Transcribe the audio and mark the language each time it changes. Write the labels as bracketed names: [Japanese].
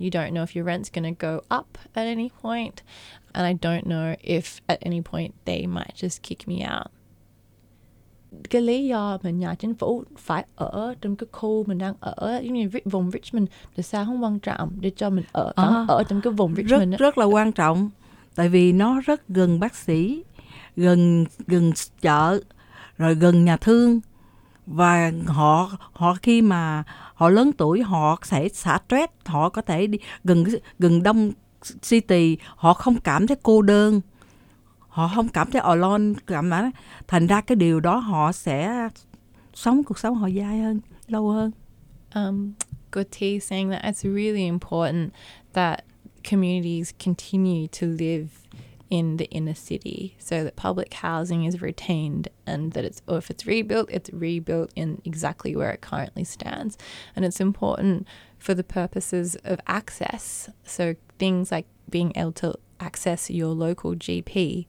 [English] You don't know if your rent's going to go up at any point, and I don't know if at any point they might just kick me out. [Vietnamese] Cái lý do mà nhà chính phủ phải ở trong cái khu mình đang ở, giống như vùng Richmond, là sao không quan trọng để cho mình ở trong cái vùng Richmond? Rất là quan trọng, tại vì nó rất gần bác sĩ, gần chợ, rồi gần nhà thương. Và họ khi mà họ lớn tuổi, họ sẽ xả stress, họ có thể đi gần đông city, họ không cảm thấy cô đơn. Họ không cảm thấy alone, cảm mà thành ra cái điều đó họ sẽ sống cuộc sống họ dài hơn, lâu hơn. [English] Guti saying that it's really important that communities continue to live in the inner city so that public housing is retained and that it's, or if it's rebuilt, it's rebuilt in exactly where it currently stands. And it's important for the purposes of access, so things like being able to access your local GP.